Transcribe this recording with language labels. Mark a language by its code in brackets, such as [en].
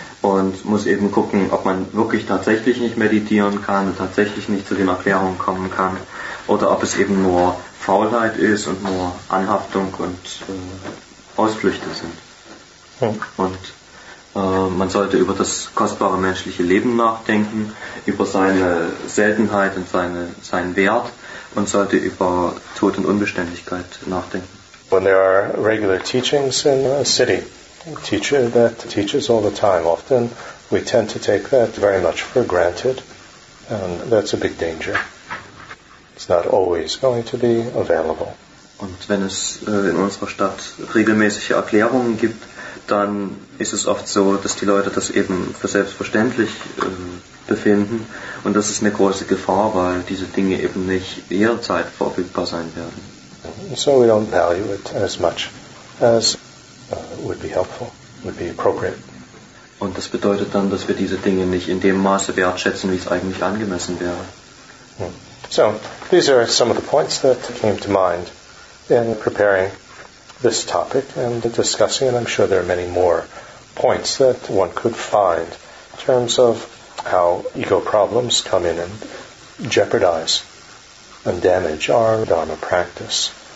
[de] und muss eben gucken, ob man wirklich tatsächlich nicht meditieren kann, tatsächlich nicht zu den Erklärungen kommen kann, oder ob es eben nur Faulheit ist und nur Anhaftung und Ausflüchte sind. Hm. Und man sollte über das kostbare menschliche Leben nachdenken, über seine Seltenheit und seinen Wert, und sollte über Tod und Unbeständigkeit nachdenken. [en] When there are regular teachings in a city, teacher that teaches all the time, often we tend to take that very much for granted, and that's a big danger. It's not always going to be available. [de] Und wenn es in unserer Stadt regelmäßige Erklärungen gibt, dann ist es oft so, dass die Leute das eben für selbstverständlich befinden, und das ist eine große Gefahr, weil diese Dinge eben nicht jederzeit verfügbar sein werden. [en] So we don't value it as much as would be helpful, would be appropriate. [de] Und das bedeutet dann, dass wir diese Dinge nicht in dem Maße wertschätzen, wie es eigentlich angemessen wäre. [en] So, these are some of the points that came to mind in preparing this topic and discussing it. I'm sure there are many more points that one could find in terms of how ego problems come in and jeopardize and damage our Dharma practice.